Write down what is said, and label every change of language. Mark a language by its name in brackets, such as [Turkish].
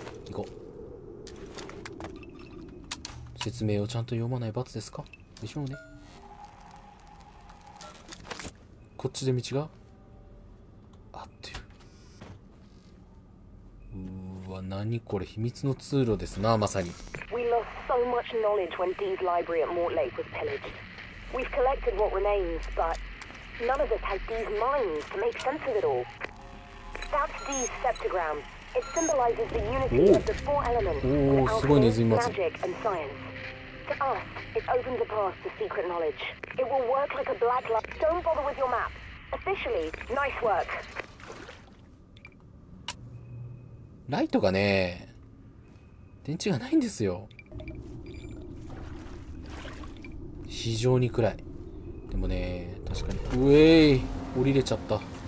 [Japanese] 行こう。説明をちゃんと読まない罰ですか？でしょうね。こっちで道が合ってる。うーわ、何これ、秘密の通路ですな、まさに。 [English] We lost so much knowledge when Dee's library at Mortlake was pillaged. We've collected what remains, but... None of us has Dee's minds to make sense of it all. That's Dee's septagram. It symbolizes the unity of the four elements of alchemy, magic, and science. To us, it opens a path to secret knowledge. It will work like a black light. Don't bother with your map. Officially, nice work. [Japanese] ライトがね、電池がないんですよ。非常に暗い。でもね、確かに。うえい、降りれちゃった。